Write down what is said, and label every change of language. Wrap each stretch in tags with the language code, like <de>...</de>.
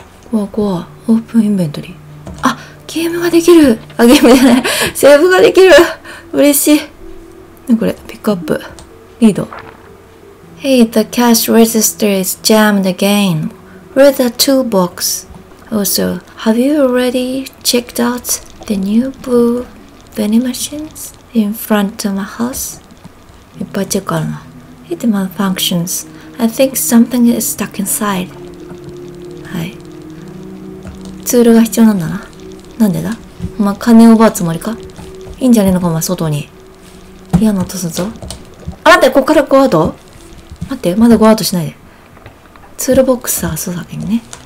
<ja>怖い怖い。オープンインベントリー。ゲームができる。あ、ゲームじゃない。セーブができる。嬉しい。なにこれ、ピックアップ。リード。</ja> <en>Hey, the cash register is jammed again. Where's the toolbox? Also, have you already checked out the new blue vending machines in front of my house?</en> <ja>いっぱいチェックあるな。</ja> <en>It malfunctions. I think something is stuck inside.</en> <ja>はい。ツールが必要なんだな。なんでだ？お前金を奪うつもりか？いいんじゃねえのか、お前外に。嫌な音するぞ。あ、待って、こっからゴーアウト？待って、まだゴーアウトしないで。ツールボックスは、そうだけどね。</ja>